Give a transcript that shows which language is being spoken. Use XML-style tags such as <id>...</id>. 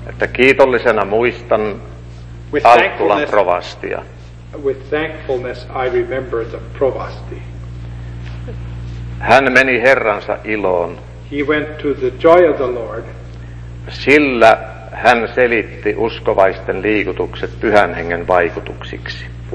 <fi>että kiitollisena muistan Alttulan provastia.</fi> <en>With thankfulness I remember the provasti.</en> <fi>Hän meni Herransa iloon.</fi> <en>He went to the joy of the Lord.</en> <fi>Sillä hän selitti uskovaisten liikutukset pyhän hengen vaikutuksiksi.</fi>